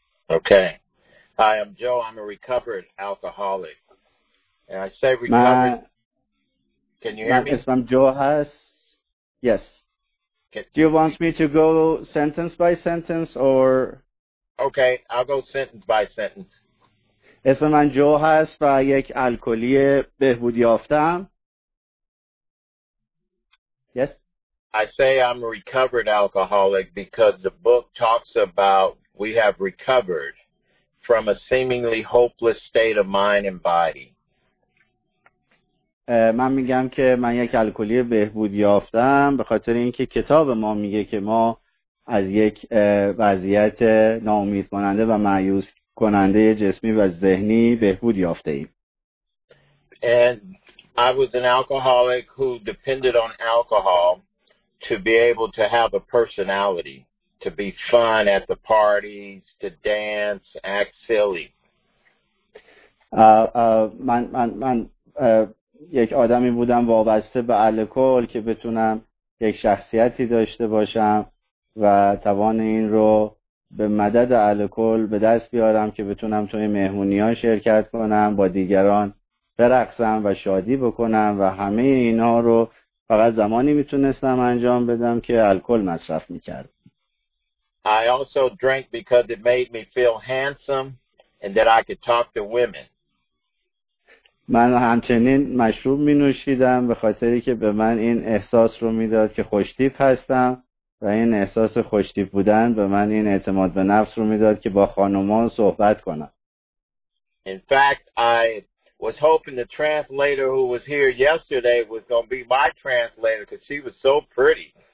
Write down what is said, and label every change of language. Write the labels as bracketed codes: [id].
[en] Okay. Hi, I'm Joe. I'm a recovered alcoholic. And I say recovered. Can you hear me? I'm Joe Haas. Yes. Do you want me to go sentence by sentence or? Okay, I'll go sentence by sentence. [fa] اسم من جو هست و یک الکلی بهبودی یافتم. [en] Yes. I say I'm a recovered alcoholic because the book talks about we have recovered from a seemingly hopeless state of mind and body. [fa] من میگم که من یک الکلی بهبودی یافتم به خاطر اینکه کتاب ما میگه که ما از یک وضعیت ناامید کننده و مایوس کننده جسمی و ذهنی بهبود یافته ایم. [en] And I was an alcoholic who depended on alcohol to be able to have a personality, to be fun at the parties, to dance, act silly. [fa] من یک آدمی بودم وابسته به الکل که بتونم یک شخصیتی داشته باشم و توان این رو به مدد الکل به دست بیارم که بتونم توی مهمونی‌ها شرکت کنم با دیگران برقصم و شادی بکنم و همه اینا رو فقط زمانی میتونستم انجام بدم که الکل مصرف میکرد. [en] I also drank because it made me feel handsome and that I could talk to women. [fa] من همچنین مشروب می‌نوشیدم به خاطری که به من این احساس رو میداد که خوش‌تیپ هستم. و این احساس خوشتیپ بودن به من این اعتماد به نفس رو میداد که با خانمان صحبت کنم. [en] In fact, I was hoping the translator who was here yesterday was going to be my translator because she was so pretty.